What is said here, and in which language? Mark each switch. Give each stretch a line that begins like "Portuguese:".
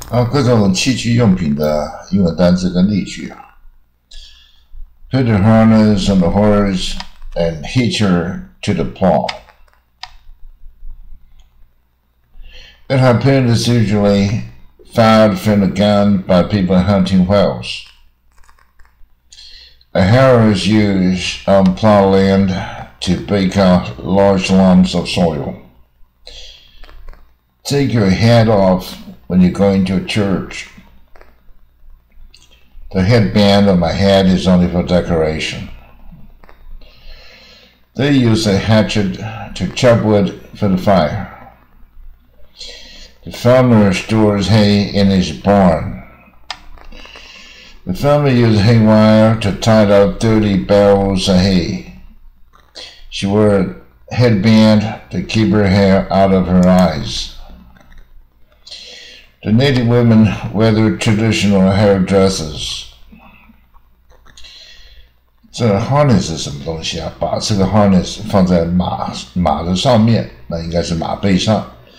Chinese: 各种器具用品的英文单词跟例句。
English: Put the harness on the horse and hitch her to the plow. It happened is usually fired from a gun by people hunting whales. A harrow is used on plow land to break out large lumps of soil. Take your hat off when you're going to church. The headband on my head is only for decoration. They use a hatchet to chop wood for the fire. The farmer stores hay in his barn. The farmer used hay wire to tie up 30 barrels of hay. She wore a headband to keep her hair out of her eyes. The native women wear their traditional hair dresses.
Chinese: 这 harness 是什么东西啊？把这个 harness 放在马的上面，那应该是马背上。